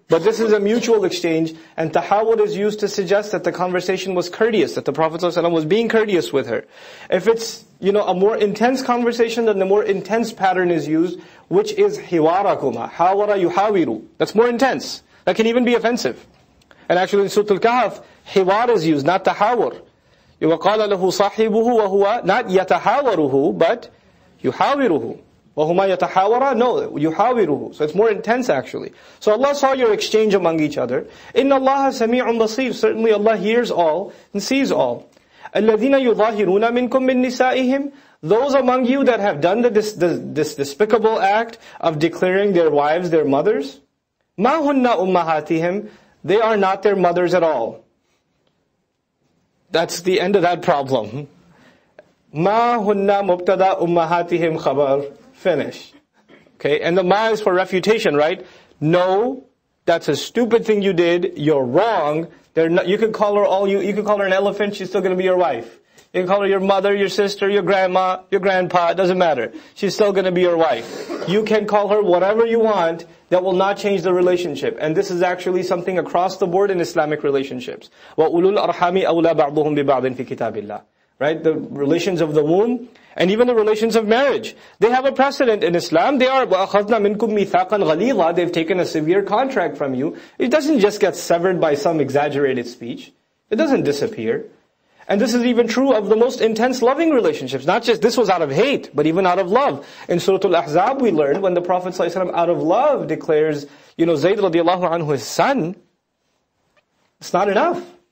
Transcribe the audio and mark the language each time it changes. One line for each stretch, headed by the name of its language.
English: But this is a mutual exchange, and tahawur is used to suggest that the conversation was courteous, that the Prophet ﷺ was being courteous with her. If it's, you know, a more intense conversation, then the more intense pattern is used, which is hiwarakuma.
Arabic: Hawara yuhawiru.
English: That's more intense. That can even be offensive. And actually in Surah Al-Kahf, hiwar is used, not tahawur.
Arabic: وَقَالَ لَهُ صَاحِبُهُ وَهُوَ not يَتَحَاوَرُهُ but يُحَاوِرُهُ وَهُمَا يَتَحَاوَرَ no, يُحَاوِرُهُ.
English: So it's more intense actually. So Allah saw your exchange among each other.
Arabic: إِنَّ اللَّهَ سَمِيعٌ بَصِيرٌ.
English: Certainly Allah hears all and sees all.
Arabic: الَّذِينَ يُظَاهِرُونَ مِنْكُمْ مِنْ نِسَائِهِمْ.
English: Those among you that have done this despicable act of declaring their wives their mothers.
Arabic: مَا هُنَّ أُمَّهَاتِهِمْ.
English: They are not their mothers at all. That's the end of that problem.
Arabic: مَا هُنَّ مُبْتَدَى أُمَّهَاتِهِمْ خَبَرْ. Finish.
English: Okay, and the مَا is for refutation, right? No, that's a stupid thing you did. You're wrong. They're not, you can call her all you can call her an elephant, she's still going to be your wife. You can call her your mother, your sister, your grandma, your grandpa, it doesn't matter. She's still going to be your wife. You can call her whatever you want, that will not change the relationship. And this is actually something across the board in Islamic relationships.
Arabic: وَأُولُو الْأَرْحَامِ أَوْلَى بَعْضُهُمْ بِبَعْضٍ فِي كِتَابِ اللَّهِ. Right?
English: The relations of the womb, and even the relations of marriage. They have a precedent in Islam.
Arabic: They are, وَأَخَذْنَا مِنْكُمْ مِيثَاقًا غَلِيظًا.
English: They've taken a severe contract from you. It doesn't just get severed by some exaggerated speech. It doesn't disappear. And this is even true of the most intense loving relationships. Not just this was out of hate, but even out of love. In Surah Al-Ahzab we learn when the Prophet ﷺ out of love declares, you know, Zayd radiallahu anhu his son, it's not enough.